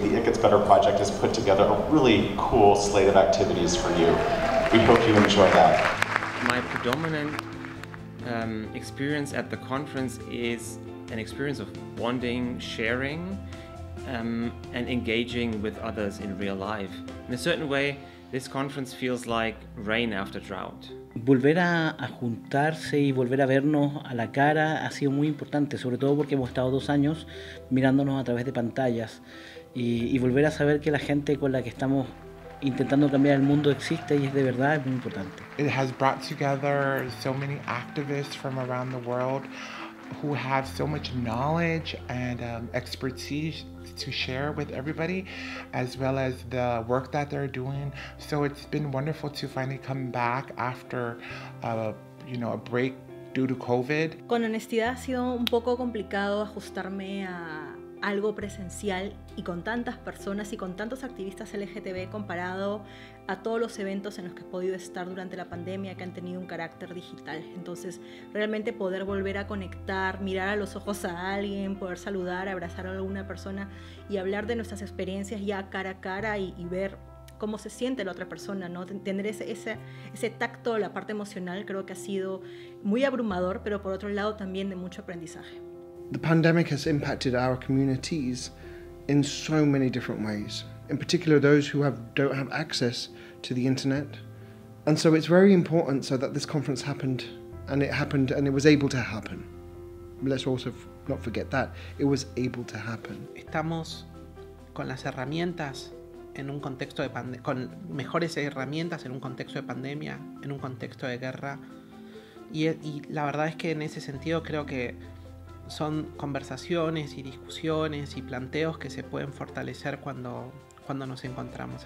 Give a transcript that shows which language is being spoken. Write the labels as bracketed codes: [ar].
[en] The It Gets Better Project has put together a really cool slate of activities for you. We hope you enjoy that. My predominant experience at the conference is an experience of bonding, sharing, and engaging with others in real life. In a certain way, this conference feels like rain after drought. [es] Volver a juntarse y volver a vernos a la cara ha sido muy importante, sobre todo porque hemos estado 2 años mirándonos a través de pantallas y volver a saber que la gente con la que estamos intentando cambiar el mundo existe y es de verdad muy importante. [en] It has brought together so many activists from around the world who have so much knowledge and expertise to share with everybody, as well as the work that they're doing. So it's been wonderful to finally come back after a break due to COVID. [es] Con honestidad, ha sido un poco complicado ajustarme a algo presencial y con tantas personas y con tantos activistas LGTB comparado a todos los eventos en los que he podido estar durante la pandemia que han tenido un carácter digital. Entonces, realmente poder volver a conectar, mirar a los ojos a alguien, poder saludar, abrazar a alguna persona y hablar de nuestras experiencias ya cara a cara y ver cómo se siente la otra persona, ¿no? Tener ese tacto, la parte emocional, creo que ha sido muy abrumador, pero por otro lado también de mucho aprendizaje. [en] The pandemic has impacted our communities in so many different ways, in particular those who don't have access to the internet. And so it's very important so that this conference happened and it was able to happen. Let's also not forget that. It was able to happen. [es] Estamos con las herramientas en un contexto de con mejores herramientas en un contexto de pandemia, en un contexto de guerra. Y la verdad es que en ese sentido creo que son conversaciones y discusiones y planteos que se pueden fortalecer cuando nos encontramos.